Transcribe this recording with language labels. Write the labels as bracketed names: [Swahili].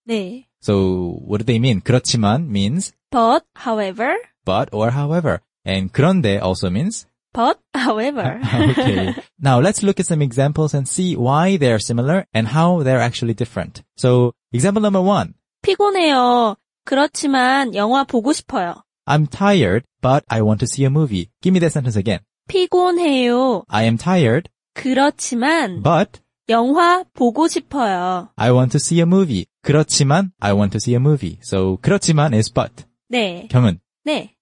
[Korean] 네. [English] So what do they mean? 그렇지만 means? But, however. But or however. And 그런데 also means? But, however. Okay. Now let's look at some examples and see why they're similar and how they're actually different. So example number one. [Korean] 피곤해요. 그렇지만 영화 보고 싶어요. [English] I'm tired, but I want to see a movie. Give me that sentence again. [Korean] 피곤해요. [English] I am tired. [Korean] 그렇지만. [English] But. [Korean] 영화 보고 싶어요. [English] I want to see a movie. 그렇지만 I want to see a movie. So 그렇지만 is but. [Korean] 네. 경은. 네.